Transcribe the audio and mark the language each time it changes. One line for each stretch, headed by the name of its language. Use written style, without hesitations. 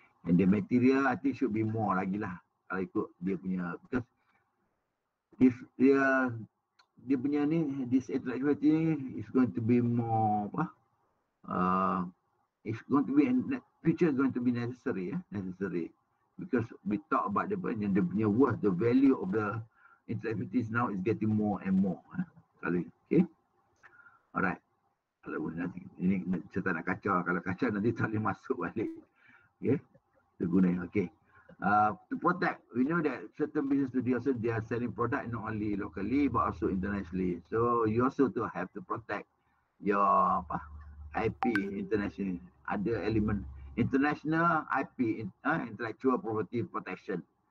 English: And the material I think should be more
Malay: lagi lah kalau ikut dia punya,
English: because if
Malay: dia punya ni,
English: this interactivity ni is going to be more apa, it's going to be, future is going to be necessary. Because we talk about the punya worth, the value of the interactivities now is getting more and more. Okay. Alright.
Malay: Kalau nanti, ini saya tak nak kacau. Kalau kacau nanti tak boleh masuk balik.
English: Okay.
Malay: Kita guna.
English: Okay. To protect. We know that certain business studio also, they are selling product not only locally but also internationally. So you also to have to protect your apa, IP internationally. Other element. International IP, Intellectual Property Protection.